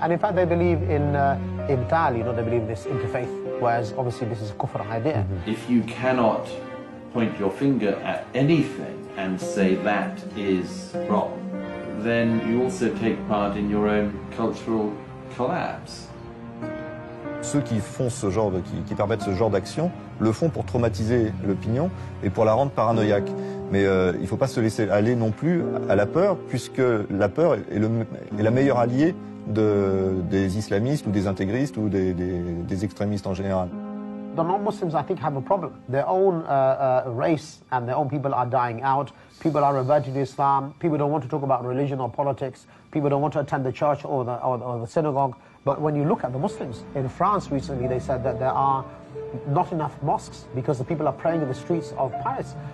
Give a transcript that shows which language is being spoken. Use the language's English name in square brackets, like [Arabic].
[English] And in fact, they believe in imtal, you know, they believe in this interfaith, whereas obviously this is a kufr idea. Mm-hmm. If you cannot point your finger at anything and say that is wrong, then you also take part in your own cultural collapse. [French] Ceux qui font ce genre de, qui permettent ce genre d'action le font pour traumatiser l'opinion et pour la rendre paranoïaque. Mais il ne faut pas se laisser aller non plus à la peur, puisque la peur est la meilleure alliée des islamistes ou des intégristes ou des extrémistes en général. [English] The non-Muslims, I think, have a problem. Their own race and their own people are dying out. People are reverting to Islam. People don't want to talk about religion or politics. People don't want to attend the church or the synagogue. But when you look at the Muslims, in France recently they said that there are not enough mosques because the people are praying in the streets of Paris.